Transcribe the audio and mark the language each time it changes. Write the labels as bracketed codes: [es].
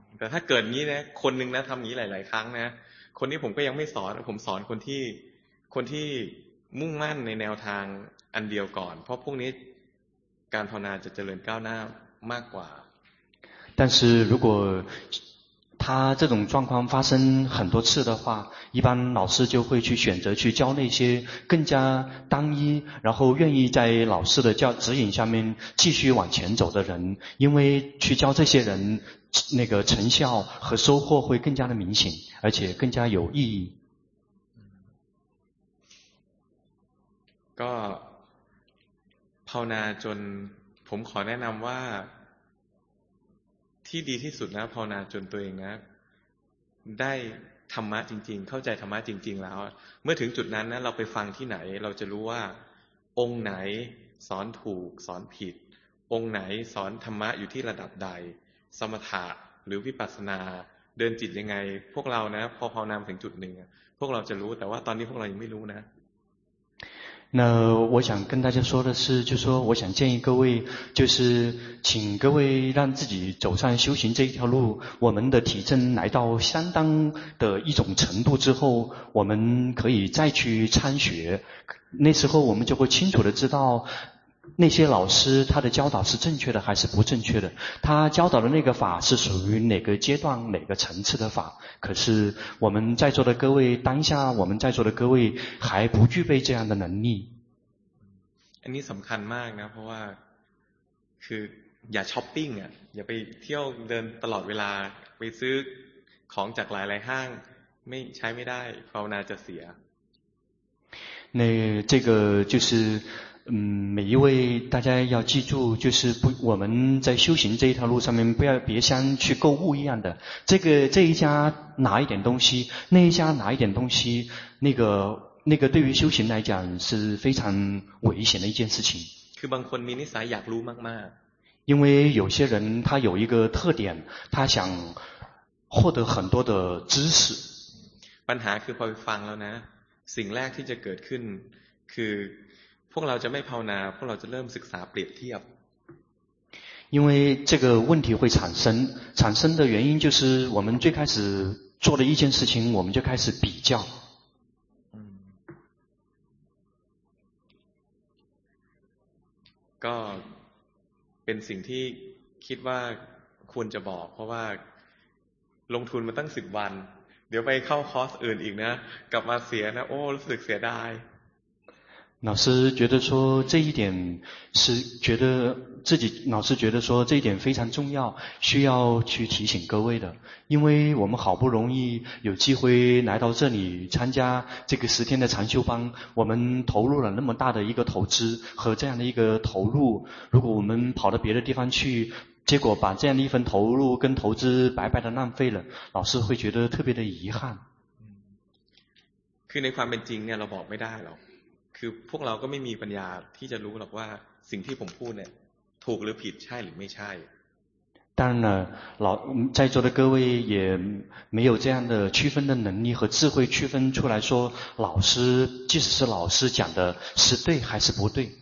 [th] แต่ถ้าเกิดนี้นะคนนึงนะทำนี้หลายๆครั้งนะคนนี้ผมก็ยังไม่สอนผมสอนคนที่มุ่งมั่นในแนวทางอันเดียวก่อนเพราะพวกนี้การภาวนาจะเจริญก้าวหน้ามากกว่า [zh] 但是如果他这种状况发生很多次的话一般老师就会去选择去教那些更加单一然后愿意在老师的教指引下面继续往前走的人因为去教这些人那个成效和收获会更加的明显而且更加有意义 [th] ก็ภาวนาจนผมขอแนะนำว่าที่ดีที่สุดนะภาวนาจนตัวเองนะได้ธรรมะจริงๆเข้าใจธรรมะจริงๆแล้วเมื่อถึงจุดนั้นนะเราไปฟังที่ไหนเราจะรู้ว่าองค์ไหนสอนถูกสอนผิดองค์ไหนสอนธรรมะอยู่ที่ระดับใดสมถะหรือวิปัสสนาเดินจิตยังไงพวกเรานะพอภาวนาถึงจุดหนึ่งพวกเราจะรู้แต่ว่าตอนนี้พวกเรายังไม่รู้นะ [zh] 那我想跟大家说的是就是说我想建议各位就是请各位让自己走上修行这一条路我们的体证来到相当的一种程度之后我们可以再去参学那时候我们就会清楚的知道那些老师他的教导是正确的还是不正确的他教导的那个法是属于哪个阶段哪个层次的法可是我们在座的各位当下我们在座的各位还不具备这样的能力 [th] อันนี้สำคัญมากนะเพราะว่าคืออย่าช้อปปิ้งอ่ะอย่าไปเที่ยวเดินตลอดเวลาไปซื้อของจากหลายๆห้างไม่ใช้ไม่ได้ภาวนาจะเสีย [zh] 那这个就是每一位大家要记住就是不我们在修行这一条路上面不要别像去购物一样的这个这一家拿一点东西那一家拿一点东西那个对于修行来讲是非常危险的一件事情 [th] คือบางคนมีนิสัยอยากรู้มากมาก [zh] 因为有些人他有一个特点他想获得很多的知识 [th] ปัญหาคือพอไปฟังแล้วนะสิ่งแรกที่จะเกิดขึ้นคือพวกเราจะไม่ภาวนาพวกเราจะเริ่มศึกษาเปรียบเทียบ [zh] 因为这个问题会产生的原因就是我们最开始做的一件事情我们就开始比较 [th] ก็เป็นสิ่งที่คิดว่าควรจะบอกเพราะว่าลงทุนมาตั้ง10วันเดี๋ยวไปเข้าคอร์สอื่นอีกนะกลับมาเสียนะโอ้รู้สึกเสียดาย [zh] Lao师觉得说这一点非常重要需要去提醒各位的因为我们好不容易有机会来到这里参加这个十天的禅修班我们投入了那么大的一个投资和这样的一个投入如果我们跑到别的地方去结果把这样的一份投入跟投资白白的浪费了老师会觉得特别的遗憾 [th] คือในความเป็นจริงเนี่ยเราบอกไม่ได้หรอกคือพวกเราก็ไม่มีปัญญาที่จะรู้หรอกว่าสิ่งที่ผมพูดเนี่ยถูกหรือผิดใช่หรือไม่ใช่ [zh] 当然了在座的各位也没有这样的区分的能力和智慧区分出来说老师即使是老师讲的是对还是不对